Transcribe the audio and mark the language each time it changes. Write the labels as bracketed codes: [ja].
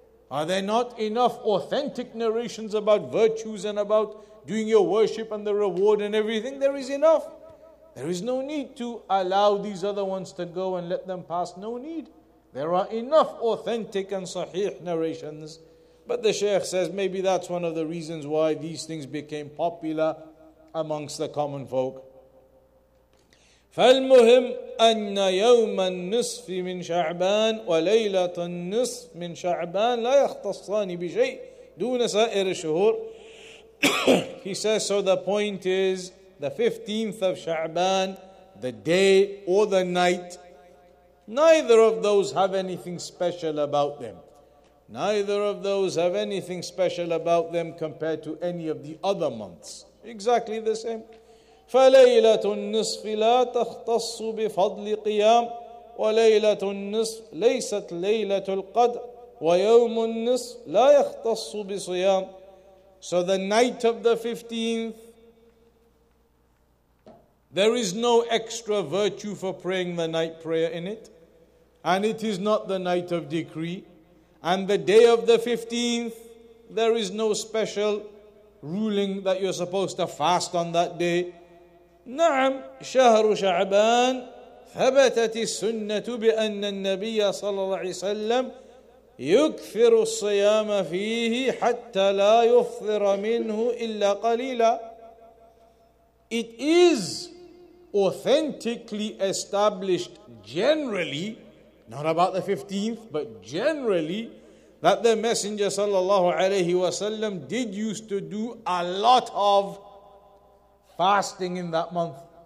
[en] Are there not enough authentic narrations about virtues and about doing your worship and the reward and everything? There is enough. There is no need to allow these other ones to go and let them pass. No need. There are enough authentic and sahih narrations. But the Shaykh says maybe that's one of the reasons why these things became popular amongst the common folk. [ar] فالمهم أن يوم النصف من شعبان وليلة النصف من شعبان لا يختصان بشيء دون سائر الشهور. [en] He says, so the point is, the 15th of Sha'ban, the day or the night, neither of those have anything special about them. Neither of those have anything special about them compared to any of the other months. Exactly the same. [ar] فليلة النصف لا تختص بفضل قيام وليلة النصف ليست ليلة القدر ويوم النصف لا يختص بصيام. [en] So the night of the 15th, there is no extra virtue for praying the night prayer in it, and it is not the night of decree. And the day of the 15th, there is no special ruling that you're supposed to fast on that day. [ar] نعم شهر شعبان ثبتت السنة بأن النبي صلى الله عليه وسلم يكفر الصيام فيه حتى لا يفطر منه إلا قليلا. [en] It is authentically established generally, not about the 15th, but generally, that the Messenger [ar] sallallahu alayhi wasallam [en] did used to do a lot of fasting in that month.